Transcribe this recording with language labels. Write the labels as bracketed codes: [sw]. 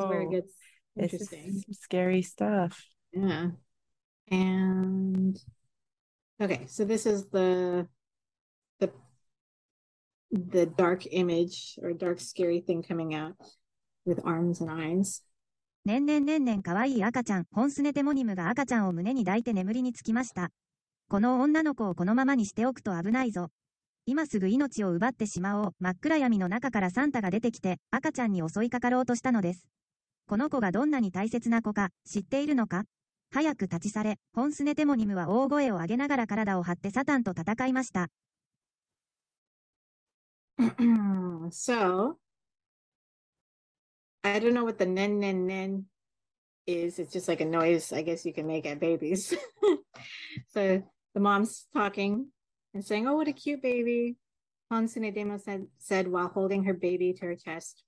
[en] is where it gets interesting. This is some scary stuff. Yeah. And okay, so this is the dark image or dark scary thing coming out with arms and eyes. [ja] ねんねんねんねん、かわいい赤ちゃん、ホンスネデモニムが赤ちゃんを胸に抱いて眠りにつきました。この女の子をこのままにしておくと危ないぞ。今すぐ命を奪ってしまおう。真っ暗闇の中からサンタが出てきて、赤ちゃんに襲いかかろうとしたのです。この子がどんなに大切な子か、知っているのか？早く立ち去れ。ホンスネデモニムは大声を上げながら体を張ってサタンと戦いました。 [en] So, I don't know what the nen nen nen is. It's just like a noise I guess you can make at babies. So the mom's talking and saying, oh, what a cute baby. Hansune Demo said while holding her baby to her chest.